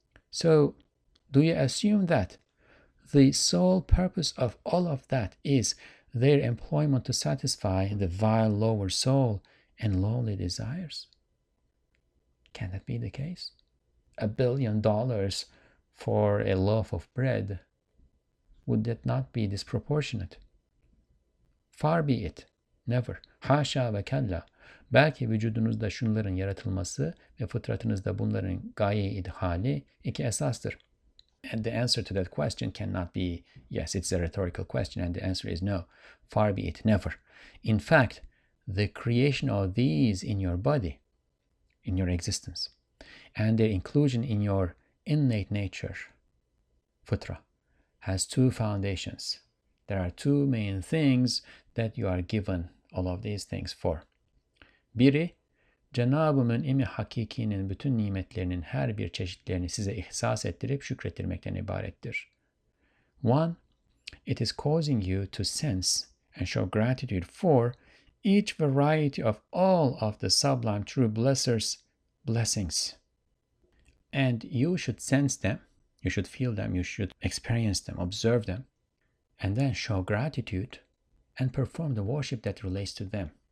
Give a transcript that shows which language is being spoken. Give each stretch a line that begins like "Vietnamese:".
English: So do you assume that the sole purpose of all of that is their employment to satisfy the vile lower soul and lowly desires? Can that be the case? $1 billion for a loaf of bread, would that not be disproportionate? Far be it. Never.
Turkish: Haşa ve kella. Belki vücudunuzda şunların yaratılması ve fıtratınızda bunların gaye-i idhali iki esastır.
English: And the answer to that question cannot be yes, it's a rhetorical question, and the answer is no. Far be it. Never. In fact, the creation of these in your body, in your existence, and their inclusion in your innate nature, fitra, has two foundations. There are two main things that you are given all of these things for.
Turkish: Biri, Cenab-ı Mün'imi Hakiki'nin bütün nimetlerinin her bir çeşitlerini size ihsas ettirip şükrettirmekten ibarettir.
English: One, it is causing you to sense and show gratitude for each variety of all of the sublime true blessers' blessings. And you should sense them, you should feel them, you should experience them, observe them, and then show gratitude and perform the worship that relates to them.